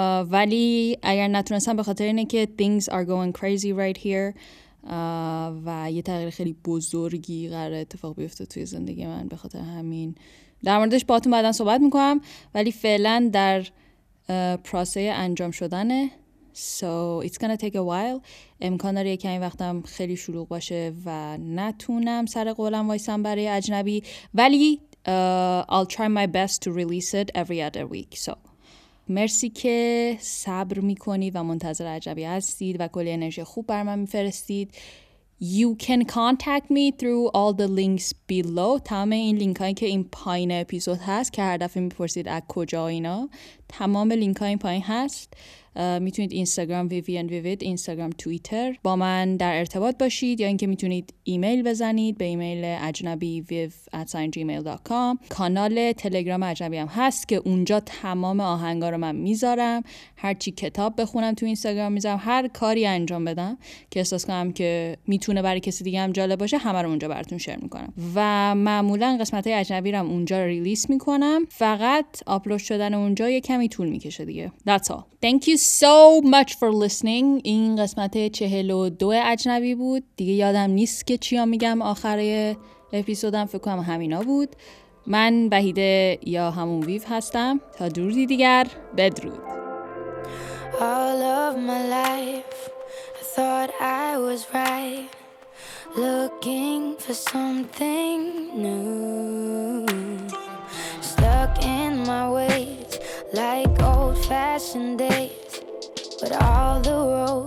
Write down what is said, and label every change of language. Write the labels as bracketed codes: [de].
[fa] ولی اگر نتونستم به خاطر اینه که [en] things are going crazy right here [fa] و یه تغییر خیلی بزرگی قراره اتفاق بیفته توی زندگی من به خاطر همین. در موردش با تون بعدا صحبت میکنم ولی فعلا در پروسه انجام شدنه. [en] So it's gonna take a while. [fa] امکان داره یکی این وقتم خیلی شلوغ باشه و نتونم سر قولم وایسم برای اجنبی، ولی [en] I'll try my best to release it every other week. [fa] So مرسی که صبر میکنید و منتظر اجنبی هستید و کلی انرژی خوب برام میفرستید. [en] You can contact me through all the links below. [fa] تمام این لینک هایی که این پایین اپیزود هست که هر دفعه میپرسید از کجا اینا، تمام لینک های این پایین هست. میتونید اینستاگرام ویویان ویوید، اینستاگرام، توییتر با من در ارتباط باشید، یا اینکه میتونید ایمیل بزنید به ایمیل ajnabiviv@gmail.com. کانال تلگرام اجنبی هم هست که اونجا تمام آهنگا رو من میذارم، هر چی کتاب بخونم تو اینستاگرام میذارم، هر کاری انجام بدم که احساس کنم که میتونه برای کسی دیگه هم جالب باشه همه رو اونجا براتون شیر میکنم. و معمولا قسمت های اجنبی رو هم اونجا ریلیس میکنم، فقط آپلود شدن اونجا یه کمی طول میکشه دیگه. [en] That's all. Thank you so much for listening. [fa] این قسمت 42 اجنبی بود، دیگه یادم نیست که چیا میگم آخره اپیزودم، فکر کنم همینا بود. من وحیده یا همون ویو هستم، تا درودی دیگر، بدرود. [en] All of my life I thought I was right looking for something new stuck in my ways like old fashioned days but all the world